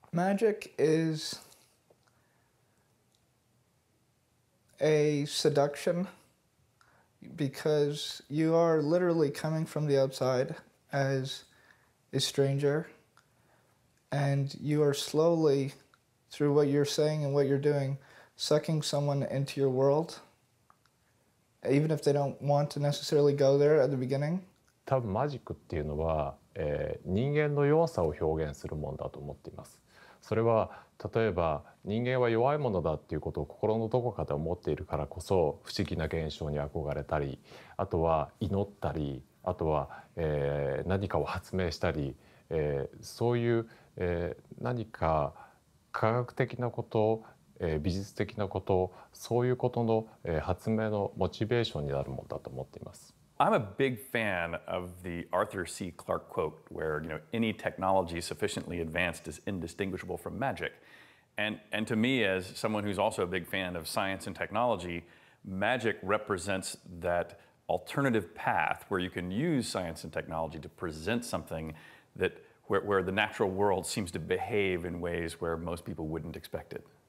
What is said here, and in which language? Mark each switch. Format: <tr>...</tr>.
<en>Magic is a seduction because you are literally coming from the outside as a stranger, and you are slowly, through what you're saying and what you're doing, sucking someone into your world, even if they don't want to necessarily go there at the beginning.</en> <ja>多分マジックっていうのは、人間の弱さを表現するものだと思っています。それは例えば人間は弱いものだっていうことを心のどこかで思っているからこそ不思議な現象に憧れたり、あとは祈ったり、あとは、何かを発明したり、そういう、何か科学的なこと、美術的なこと、そういうことの、発明のモチベーションになるものだと思っています。</ja> <en>I'm a big fan of the Arthur C. Clarke quote where, you know, any technology sufficiently advanced is indistinguishable from magic. And to me, as someone who's also a big fan of science and technology, magic represents that alternative path where you can use science and technology to present something that where the natural world seems to behave in ways where most people wouldn't expect it.</en>